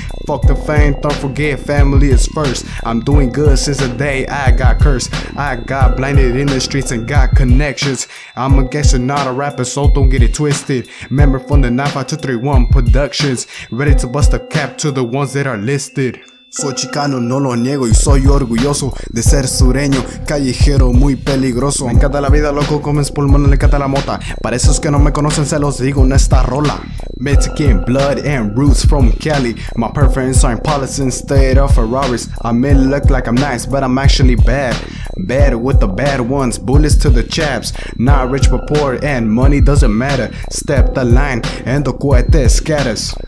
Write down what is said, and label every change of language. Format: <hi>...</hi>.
<en>Fuck the fame, don't forget family is first. I'm doing good since the day I got cursed. I got blinded in the streets and got connections. I'm a gangster, not a rapper, so don't get it twisted. Member from the 95231 Productions, ready to bust a cap to the ones that are listed.</en> <es>Soy chicano, no lo niego, y soy orgulloso de ser sureño, callejero muy peligroso. Me encanta la vida, loco, comes pulmón, le encanta la mota. Para esos que no me conocen, se los digo en esta rola.</es> <en>Mexican blood and roots from Cali. My preference are in policy instead of Ferraris. I may look like I'm nice, but I'm actually bad. Bad with the bad ones, bullets to the chaps. Not rich but poor and money doesn't matter. Step the line and the cohete scatters.</en>